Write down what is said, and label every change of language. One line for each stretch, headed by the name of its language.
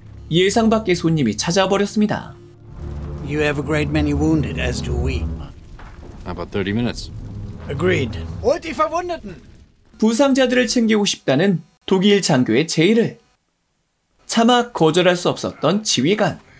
Korean: 예상 밖의 손님이 찾아버렸습니다.
English: You have a great many wounded, as do we. About 30 minutes. Agreed. What if I wanted?
Korean: 부상자들을 챙기고 싶다는 독일 장교의 제의를 차마 거절할 수 없었던 지휘관.